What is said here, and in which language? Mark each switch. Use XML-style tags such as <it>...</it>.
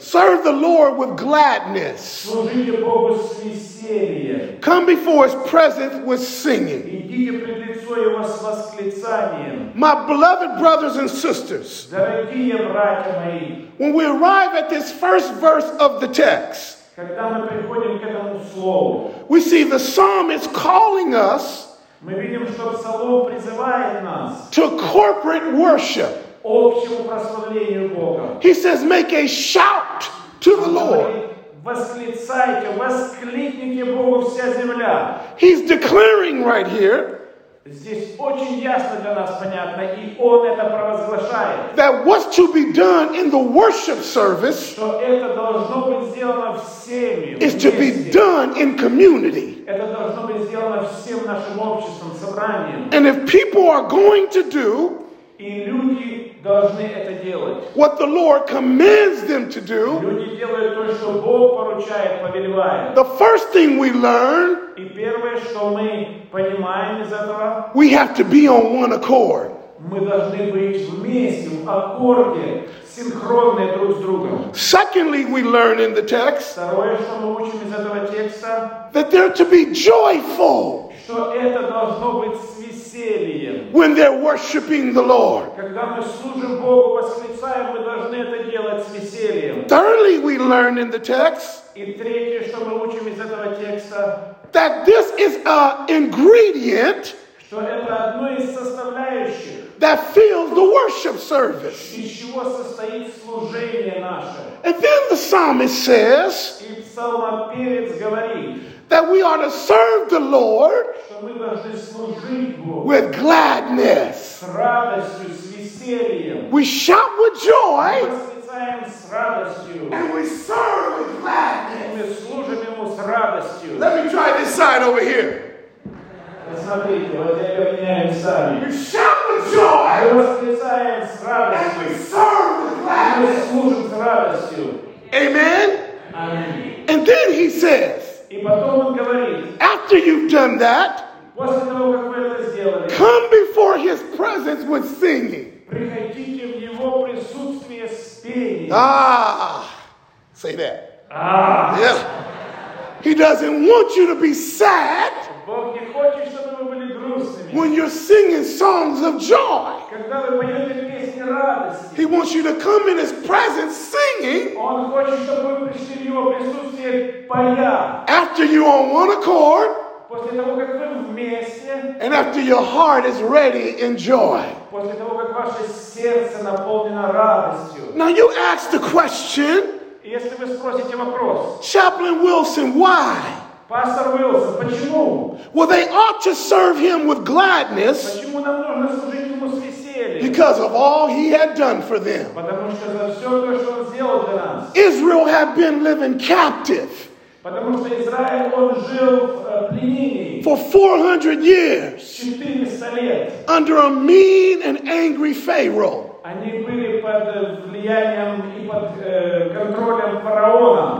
<en>Serve the Lord with gladness.</en> <ru>Служите Богу с весельем.</ru> <en>Come before his presence with singing.</en> <ru>Идите пред лицо его с восклицанием.</ru> <en>My beloved brothers and sisters,</en> <ru>дорогие братья мои,</ru> <en>when we arrive at this first verse of the text,</en> <ru>когда мы приходим к этому слову,</ru> <en>we see the psalmist calling us.</en> <ru>Мы видим, что псалом призывает нас.</ru> <en>To corporate worship.</en> <ru>Общему прославлению Бога.</ru> <en>He says, make a shout to the Lord.</en> <ru>Восклицайте, воскликните Богу вся земля.</ru> <en>He's declaring right here.</en> <ru>Здесь очень ясно для нас понятно, и он это провозглашает.</ru> <en>That what's to be done in the worship service,</en> <ru>что это должно быть сделано всеми,</ru> <en>is вместе. To be done in community.</en> <ru>Это должно быть сделано всем нашим обществом, собранием.</ru> <en>And if people are going to do,</en> <ru>и люди должны это делать,</ru> <en>what the Lord commands them to do,</en> <ru>люди делают то, что Бог поручает, повелевает.</ru> <en>The first thing we learn,</en> <ru>и первое, что мы понимаем из этого,</ru> <en>we have to be on one accord.</en> <ru>мы должны быть вместе, в аккорде, синхронные друг с другом.</ru> <en>Secondly, we learn in the text,</en> <ru>второе, что мы учим из этого текста,</ru> <en>that they're to be joyful,</en> <ru>что это должно быть с весельем.</ru> <en>When they're worshiping the Lord.</en> <ru>Когда мы служим Богу, восклицаем, мы должны это делать с весельем.</ru> <en>Thirdly, we learn in the text,</en> <ru>и третье, что мы учим из этого текста,</ru> <en>that this is an ingredient,</en> <ru>что это одно из составляющих,</ru> <en>that fills the worship service.</en> <ru>Из чего состоит служение наше.</ru> <en>And then the psalmist says,</en> <ru>и псалмопевец говорит,</ru> <en>that we ought to serve the Lord,</en> <ru>что мы должны служить Богу,</ru> <en>with gladness.</en> <ru>С радостью, с весельем.</ru> <en>We shout with joy,</en> <ru>восклицаем с радостью,</ru> <en>and we serve with gladness.</en> <ru>Мы служим Ему с радостью.</ru> <en>Let me try this side over here.</en> <ru>Посмотрите, вот я меняю</ru> <en>сами. We shout with joy.</en> <ru>Мы восклицаем с радостью.</ru> <en>And we serve with gladness.</en> <ru>Мы служим с радостью.</ru> <en>Amen. Amen. And then he says,</en> <ru>и потом он говорит,</ru> <en>after you've done that,</en> <ru>после того, как вы это сделали,</ru> <en>come before his presence with singing.</en> <ru>Приходите в его присутствие с пением.</ru> <en>Ah, say that. Ah. Yeah. He doesn't want you to be sad.</en> <ru>Бог не хочет, чтобы вы были грустными.</ru> <en>When you're singing songs of joy.</en> <ru>Когда вы поете песни радости.</ru> <en>He wants you to come in his presence singing.</en> <ru>Он хочет, чтобы вы пришли в его присутствие поя.</ru> <en>After you're on one accord.</en> <ru>После того, как вы вместе.</ru> <en>And after your heart is ready in joy.</en> <ru>После того, как ваше сердце наполнено радостью.</ru> <en>Now you ask the question.</en> <ru>Если вы спросите вопрос.</ru> <en>Chaplain Wilson, why?</en> <ru>Pastor Wilson, почему?</ru> <en>Well, they ought to serve him with gladness.</en> <ru>Почему нам нужно служить ему с весельем?</ru> <en>Because of all he had done for them.</en> <ru>Потому что за все то, что он сделал для нас.</ru> <en>Israel had been living captive.</en> <ru>Потому что Израиль, он жил в пленении.</ru> <en>For 400 years.</en> <ru>400 лет.</ru> <en>Under a mean and angry Pharaoh.</en> <ru>Они были под влиянием и под контролем фараона.</ru>